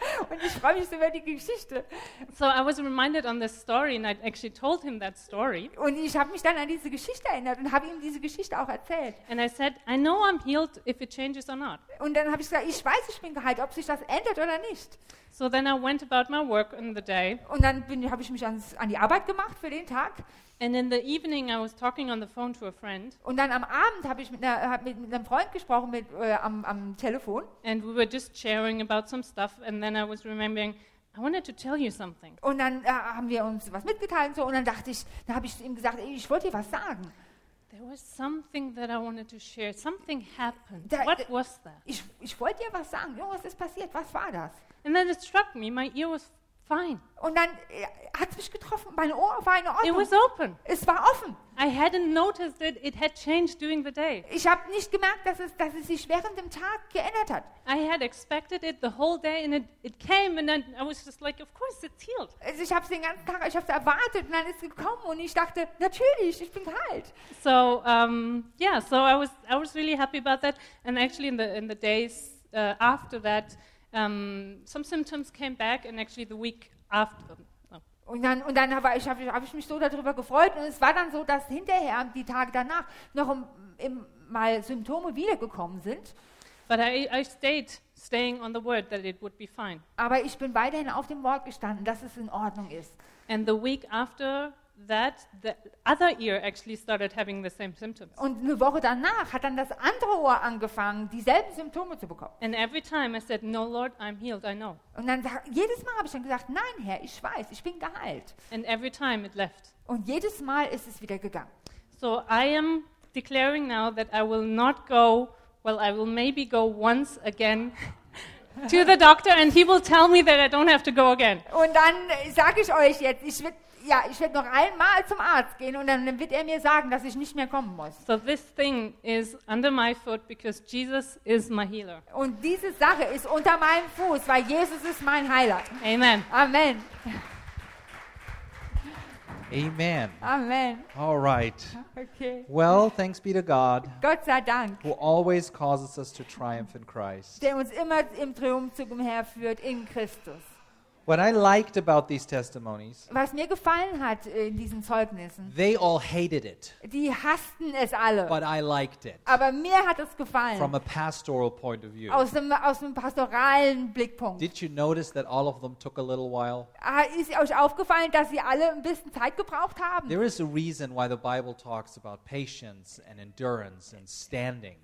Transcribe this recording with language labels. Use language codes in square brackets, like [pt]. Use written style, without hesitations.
[de] Und ich freue mich so über die Geschichte. [en] So I was reminded on this story and I actually told him that story. [de] Und ich habe mich dann an diese Geschichte erinnert und habe ihm diese Geschichte auch erzählt. [en] And I said, I know I'm healed if it changes or not. [de] Und dann habe ich gesagt, ich weiß, ich bin geheilt, ob sich das ändert oder nicht. [en] So then I went about my work in the day. [de] Und dann habe ich mich an die Arbeit gemacht für den Tag. [en] And in the evening I was talking on the phone to a friend. [de] Und dann am Abend habe ich mit einem Freund gesprochen am Telefon. [en] And we were just sharing about some stuff and then I was remembering I wanted to tell you something. [de] Und dann haben wir uns was mitgeteilt und so und dann habe ich ihm gesagt, ich wollte dir was sagen. [en] There was something that I wanted to share. Something happened. What was that? [de] Ich wollte dir was sagen. Was ist passiert? Was war das? [en] And then it struck me, my ear was fine. [de] Und dann hat es mich getroffen. Mein Ohr war in Ordnung. [en] It was open. [de] Es war offen. [en] I hadn't noticed that it had changed during the day. [de] Ich habe nicht gemerkt, dass es sich während dem Tag geändert hat. [en] I had expected it the whole day, and it came, and then I was just like, of course, it's healed. [de] Also ich habe es den ganzen Tag, ich habe es erwartet, und dann ist es gekommen, und ich dachte, natürlich, ich bin geheilt. [en] So so I was really happy about that, and actually in the days after that. Some symptoms came back, and actually the week after. [de] Und dann habe ich mich so darüber gefreut, und es war dann so, dass hinterher die Tage danach noch mal Symptome wiedergekommen sind. [en] But I staying on the word that it would be fine. [de] Aber ich bin weiterhin auf dem Wort gestanden, dass es in Ordnung ist. [en] And the week after that, the other ear actually started having the same symptoms. [de] Und eine Woche danach hat dann das andere Ohr angefangen, dieselben Symptome zu bekommen. [en] And every time I said, no, Lord, I'm healed, I know. [de] Und dann jedes Mal habe ich dann gesagt, nein, Herr, ich weiß, ich bin geheilt. [en] And every time it left. [de] Und jedes Mal ist es wieder gegangen. [en] So I am declaring now that I will not go, well, I will maybe go once again to the doctor and he will tell me that I don't have to go again. [de] Und dann sage ich euch jetzt, ich werde ja, ich werde noch einmal zum Arzt gehen und dann wird er mir sagen, dass ich nicht mehr kommen muss. [en] So this thing is under my foot because Jesus is my healer. [de] Und diese Sache ist unter meinem Fuß, weil Jesus ist mein Heiler. [en] Amen. [de] Amen. [en] Amen. [de] Amen. [en] All right. [de] Okay. [en] Well, thanks be to God. [de] Gott sei Dank. [en] Who always causes us to triumph in Christ. [de] Der uns immer im Triumphzug umherführt in Christus. [en] What I liked about these testimonies. [de] Was mir gefallen hat in diesen Zeugnissen. [en] They all hated it. [de] Die hassten es alle. [en] But I liked it. [de] Aber mir hat es gefallen. [en] From a pastoral point of view. [de] Aus dem pastoralen Blickpunkt. [en] Did you notice that all of them took a little while? [de] Ist euch aufgefallen, dass sie alle ein bisschen Zeit gebraucht haben? [en] There is a reason why the Bible talks about patience and endurance and standing.